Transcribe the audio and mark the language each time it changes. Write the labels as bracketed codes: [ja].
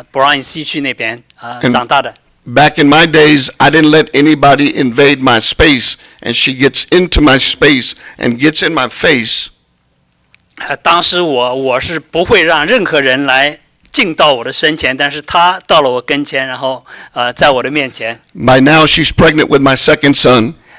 [zh] 我跟你讲了，就是她个子不高，也就是100磅的样子，从Bryan西区那边长大的。 [en] Back in my days, I didn't let anybody invade my space, and she gets into my space and gets in my face. [zh] 当时我是不会让任何人来进到我的身前，但是她到了我跟前，然后在我的面前。 [en] By now, she's pregnant with my second son.